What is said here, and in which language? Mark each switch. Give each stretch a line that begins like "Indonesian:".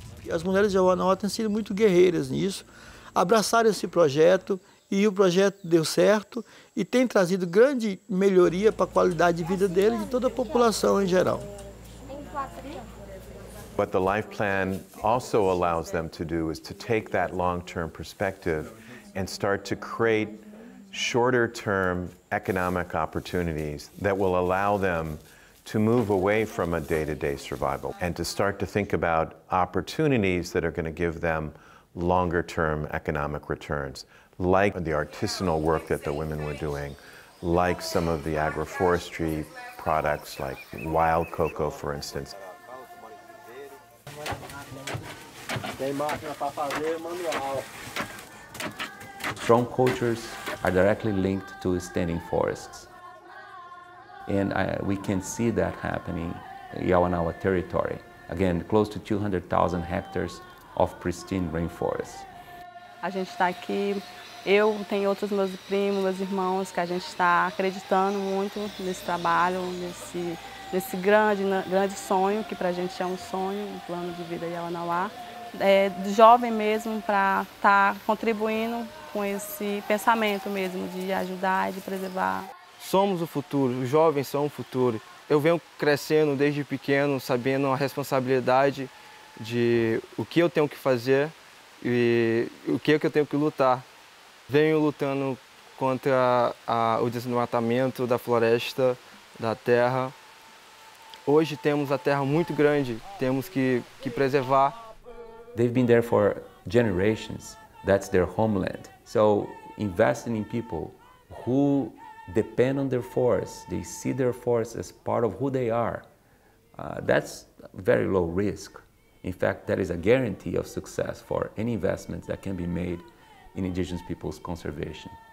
Portuguese: As mulheres de Yawanawa têm sido muito guerreiras nisso, abraçaram esse projeto e o projeto deu certo e tem trazido grande melhoria para a qualidade de vida dele e de toda a população em geral.
English: What the life plan also allows them to do is to take that long-term perspective and start to create shorter-term economic opportunities that will allow them to move away from a day-to-day survival and to start to think about opportunities that are going to give them longer-term economic returns, like the artisanal work that the women were doing, like some of the agroforestry products, like wild cocoa, for instance. Strong cultures are directly linked to standing forests. And we can see that happening in Yawanawa territory. Again, close to 200,000 hectares of pristine rainforest.
Portuguese: A gente está aqui, eu tenho outros meus primos, meus irmãos, que a gente está acreditando muito nesse trabalho, nesse grande sonho, que para a gente é um sonho, um plano de vida Yawanawa. É, de jovem mesmo, para estar contribuindo com esse pensamento mesmo de ajudar e de preservar. Somos o futuro, os jovens são o futuro. Eu venho crescendo desde pequeno, sabendo a responsabilidade de o que eu tenho que fazer e o que é que eu tenho que lutar. Venho lutando contra o desmatamento da floresta, da terra. Hoje temos a terra muito grande, temos que preservar.
English: They've been there for generations. That's their homeland. So investing in people who depend on their forests, they see their forests as part of who they are, that's very low risk. In fact, that is a guarantee of success for any investment that can be made in indigenous people's conservation.